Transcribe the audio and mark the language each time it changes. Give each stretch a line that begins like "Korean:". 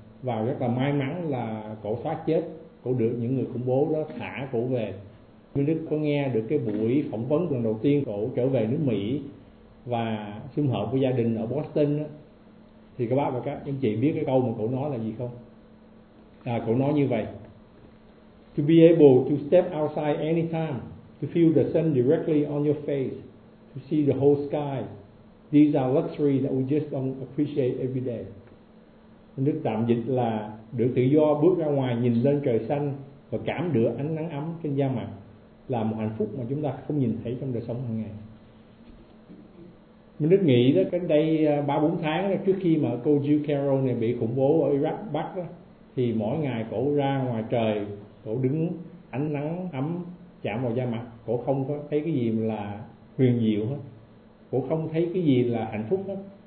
Vietnamese: Và rất là may mắn là cổ thoát chết, cổ được những người khủng bố đó thả cổ về. Minh Đức có nghe được cái buổi phỏng vấn lần đầu tiên cổ trở về nước Mỹ và sum họp với gia đình ở Boston đó. Thì các bác và các anh chị biết cái câu mà cổ nói là gì không? Cổ nói như vậy:
English: To be able to step outside anytime, to feel the sun directly on your face, to see the whole sky. These are luxuries that we just don't appreciate every day.
Vietnamese: Đức tạm dịch là được tự do bước ra ngoài nhìn lên trời xanh và cảm được ánh nắng ấm trên da mặt là một hạnh phúc mà chúng ta không nhìn thấy trong đời sống hàng ngày. Mình Đức nghĩ đó, cách đây 3-4 tháng đó, trước khi mà cô Jill Carroll này bị khủng bố ở Iraq bắt đó, thì mỗi ngày cổ ra ngoài trời, cổ đứng ánh nắng ấm chạm vào da mặt, cổ không có thấy cái gì là huyền diệu hết, cổ không thấy cái gì là hạnh phúc hết.